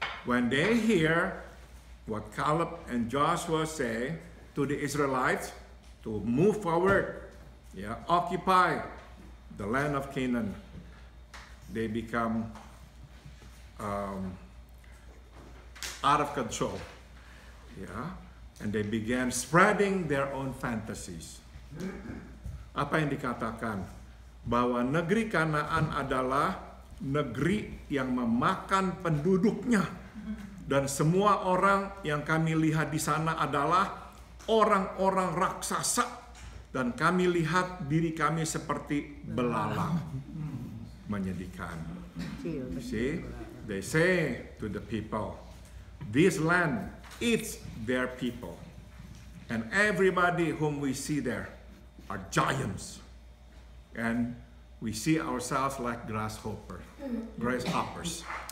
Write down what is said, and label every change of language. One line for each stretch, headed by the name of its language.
English: When they hear what Caleb and Joshua say to the Israelites to move forward, yeah, occupy the land of Canaan, they become out of control, yeah, and they began spreading their own fantasies.
Indonesian: Apa yang dikatakan? Bahwa negeri Kanaan adalah negeri yang memakan penduduknya, dan semua orang yang kami lihat di sana adalah orang-orang raksasa, dan kami lihat diri kami seperti belalang. Menyedihkan.
English: You see, they say to the people, this land eats their people, and everybody whom we see there are giants, and we see ourselves like grasshoppers.